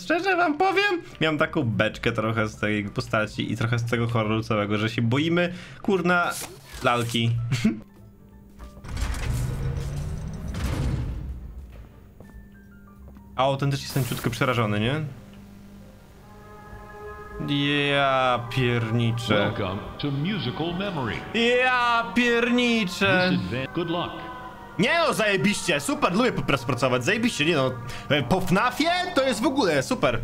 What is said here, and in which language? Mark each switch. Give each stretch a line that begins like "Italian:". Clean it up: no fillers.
Polish: Szczerze wam powiem, miałem taką beczkę trochę z tej postaci i trochę z tego horroru całego, że się boimy, kurna, lalki. A o, ten też jestem ciutko przerażony, nie? Ja pierniczę.
English: Welcome to musical memory.
Polish: Ja pierniczę.
English: Good luck.
Polish: Nie no, zajebiście, super, lubię po prostu pracować, zajebiście, nie no. Po FNAFie to jest w ogóle super.